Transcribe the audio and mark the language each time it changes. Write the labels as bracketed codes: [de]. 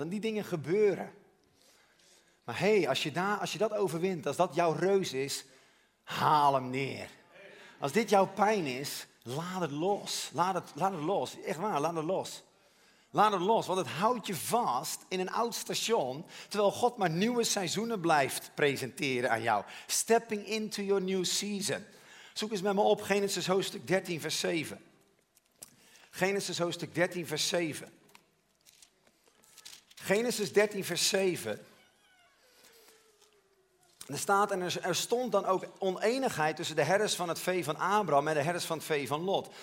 [nl] En die dingen gebeuren. Maar hey, als je dat overwint, als dat jouw reus is, haal hem neer. Als dit jouw pijn is, laat het los. Laat het los. Echt waar, laat het los. Laat het los, want het houdt je vast in een oud station, terwijl God maar nieuwe seizoenen blijft presenteren aan jou. [en] Stepping into your new season. [nl] Zoek eens met me op Genesis hoofdstuk 13, vers 7. Genesis hoofdstuk 13, vers 7. Genesis 13, vers 7. Er staat, en er stond dan ook oneenigheid tussen de herders van het vee van Abraham en de herders van het vee van Lot.